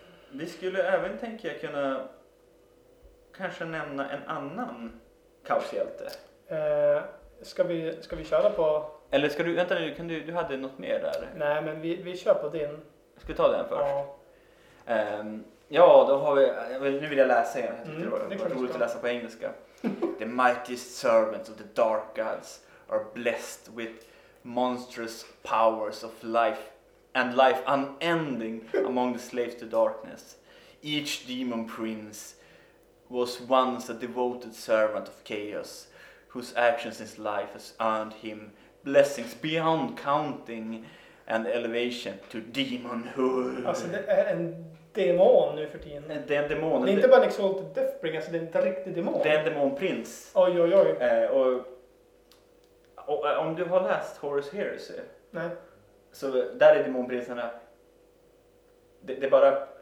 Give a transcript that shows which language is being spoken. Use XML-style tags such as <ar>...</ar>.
<sv>Vi skulle även, tänker jag, kunna kanske nämna en annan kaoshjälte. Ska vi köra på? Eller ska du, vänta nu, du hade något mer där. Nej, men vi kör på din. Ska vi ta den först? Ja, då har vi, nu vill jag läsa igen. Det var roligt att läsa på engelska.</sv> <en>The mighty servants of the dark gods are blessed with monstrous powers of life and life unending among the slaves to darkness. Each demon prince was once a devoted servant of chaos, whose actions in life has earned him blessings beyond counting and elevation to demonhood.</en> <sv>Alltså det är en demon nu för tiden. Det är en demon. Det är inte bara en exalted deathbringer, alltså det är inte riktig demon. Det är en demonprins. Oj, oj, oj. Och om du har läst Horus Heresy. Nej. Så där är demonprinsarna. Det är bara</sv>